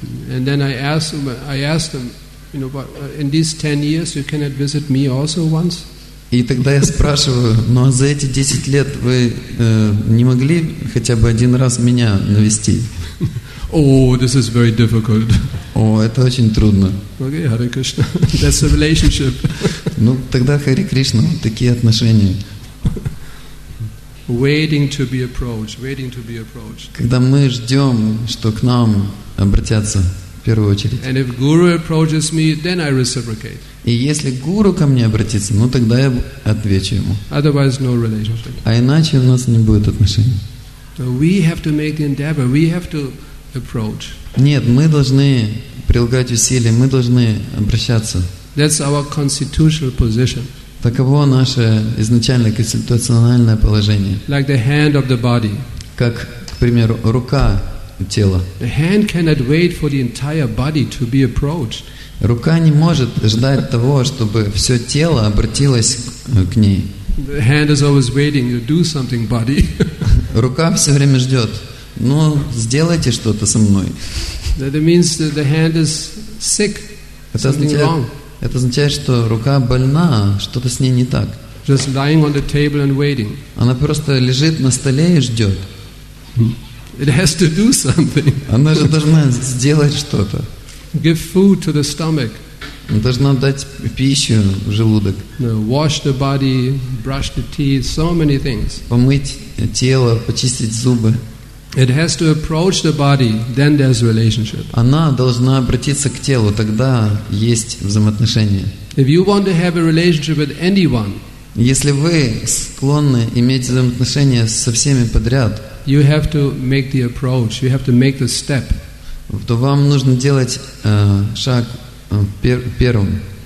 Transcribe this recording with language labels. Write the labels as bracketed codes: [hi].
[en] And then I asked them. You know, but in these 10 years, you cannot visit me also once. [ru] И тогда я спрашиваю, ну а за эти 10 лет вы не могли хотя бы один раз меня навести? [en] Oh, this is very difficult. [ru] О, это очень трудно. [en] Okay, Hare Krishna, that's a relationship. [ru] Ну тогда Hare Krishna, такие отношения. [en] Waiting to be approached, waiting to be approached. [ru] Когда мы ждем, что к нам обратятся. В первую очередь. [en] And if guru approaches me, then I reciprocate. [ru] И если гуру ко мне обратится, ну тогда я отвечу ему. [en] Otherwise, no relationship. [ru] А иначе у нас не будет отношений. [en] So we have to make the endeavor. We have to approach. [ru] Нет, мы должны прилагать усилия. Мы должны обращаться. [en] That's our constitutional position. [ru] Таково наше изначальное конституциональное положение. [en] Like the hand of the body. [ru] Как, к примеру, рука. Тело. [en] The hand cannot wait for the entire body to be approached. [ru] Рука не может ждать того, чтобы все тело обратилось к ней. [en] The hand is always waiting. You do something, body. [ru] Рука все время ждет. Ну, сделайте что-то со мной. [en] That means that the hand is sick. Something wrong. [ru] Это означает, что рука больна, что-то с ней не так. [en] Just lying on the table and waiting. [ru] Она просто лежит на столе и ждет. [en] It has to do something. [ru] Она же должна сделать что-то. [en] Give food to the stomach. [ru] Она должна дать пищу в желудок. [en] Wash the body, brush the teeth, so many things. [ru] Помыть тело, почистить зубы. [en] It has to approach the body, then there's relationship. [ru] Она должна обратиться к телу, тогда есть взаимоотношения. [en] If you want to have a relationship with anyone, [ru] если вы склонны иметь взаимоотношения со всеми подряд, [en] you have to make the approach. You have to make the step. [ru] То вам нужно делать шаг первым.